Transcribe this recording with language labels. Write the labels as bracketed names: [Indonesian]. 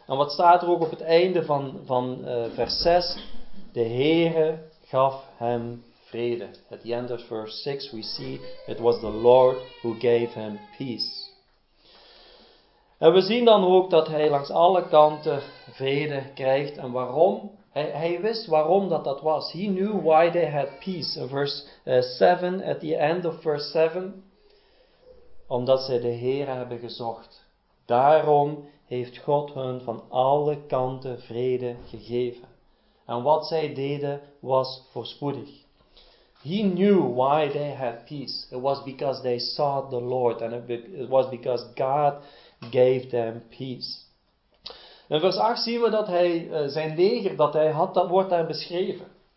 [Dutch] En wat staat er ook op het einde van vers 6? De Heere gaf hem vrede. [English] At the end of verse 6 we see it was the Lord who gave him peace. [Dutch] En we zien dan ook dat hij langs alle kanten vrede krijgt. En waarom? Hij wist waarom dat was. [English] He knew why they had peace. In verse 7, at the end of verse 7. [Dutch] Omdat zij de Heere hebben gezocht. Daarom heeft God hun van alle kanten vrede gegeven. En wat zij deden was voorspoedig. [English] He knew why they had peace. It was because they sought the Lord. And it was because God gave them peace. [Dutch] In vers 8 zien we dat hij zijn leger dat hij had, dat wordt daar beschreven.